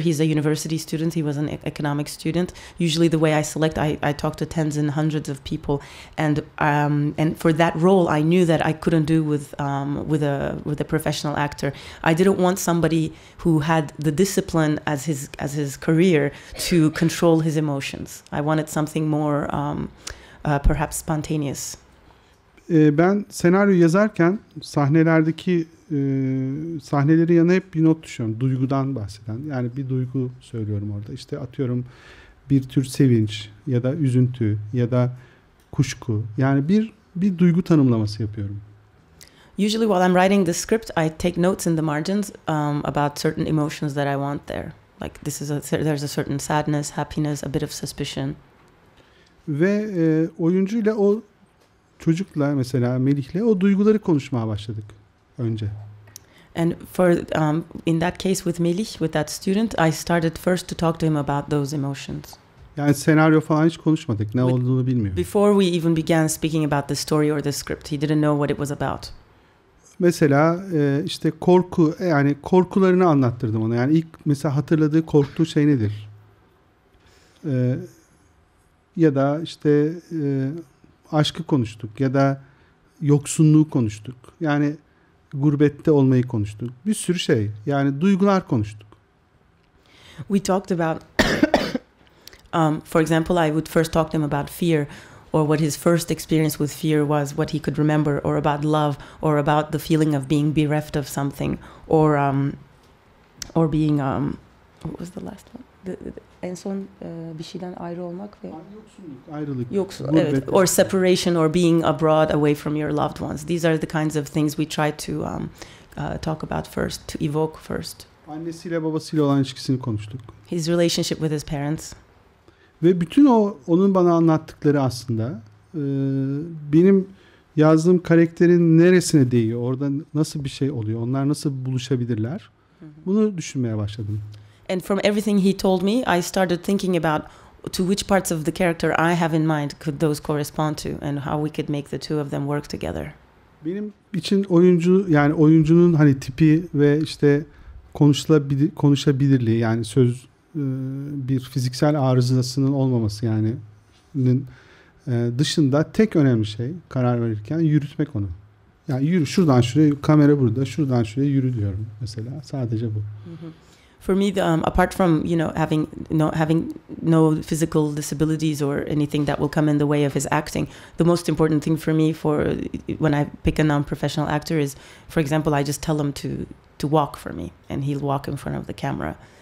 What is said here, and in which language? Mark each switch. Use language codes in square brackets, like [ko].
[en] He's a university student. He was an economics student. Usually the way I select, I talk to tens and hundreds of people, and for that role I knew that I couldn't do with a professional actor. I didn't want somebody who had the discipline as his career to control his emotions. I wanted something more perhaps spontaneous. [tr] Ben senaryo yazarken sahnelerdeki sahneleri yana hep bir not düşüyorum, duygudan bahseden. Yani bir duygu söylüyorum orada, işte atıyorum bir tür sevinç ya da üzüntü ya da kuşku, yani bir duygu tanımlaması yapıyorum. [en] Usually while I'm writing the script, I take notes in the margins about certain emotions that I want there. Like this is there's a certain sadness, happiness, a bit of suspicion. [tr] Ve oyuncuyla, o çocukla mesela, Melih'le o duyguları konuşmaya başladık önce. [en] And for in that case with Melih, with that student, I started first to talk to him about those emotions. [tr] Yani senaryo falan hiç konuşmadık. Ne olduğunu bilmiyor. [en] Before we even began speaking about the story or the script, he didn't know what it was about. [tr] Mesela işte korku, yani korkularını anlattırdım ona. Yani ilk mesela hatırladığı korktuğu şey nedir? Ya da işte aşkı konuştuk ya da yoksunluğu konuştuk. Yani gurbette olmayı konuştuk. Bir sürü şey. Yani duygular konuştuk. [en] We talked about for example, I would first talk to him about fear or what his first experience with fear was, what he could remember, or about love, or about the feeling of being bereft of something, or being what was the last one? [tr] En son bir şeyden ayrı olmak ve yoksunluk, ayrılık. Yoksunluk, evet. [en] Or separation, or being abroad, away from your loved ones. These are the kinds of things we try to talk about first, to evoke first. [tr] Annesiyle babasıyla olan ilişkisini konuştuk. [en] His relationship with his parents. [tr] Ve bütün o onun bana anlattıkları aslında benim yazdığım karakterin neresine değiyor, orada nasıl bir şey oluyor, onlar nasıl buluşabilirler, bunu düşünmeye başladım. [en] And from everything he told me, I started thinking about to which parts of the character I have in mind could those correspond to and how we could make the two of them work together. [tr] Benim için oyuncu, yani oyuncunun hani tipi ve işte konuşabilirliği, yani söz bir fiziksel arızasının olmaması, yani dışında tek önemli şey karar verirken yürütmek onu. Yani yürü şuradan şuraya, kamera burada, şuradan şuraya yürü diyorum mesela, sadece bu. [en] For me, apart from, you know, having no physical disabilities or anything that will come in the way of his acting, the most important thing for me for when I pick a non-professional actor is, for example, I just tell him to walk for me and he'll walk in front of the camera.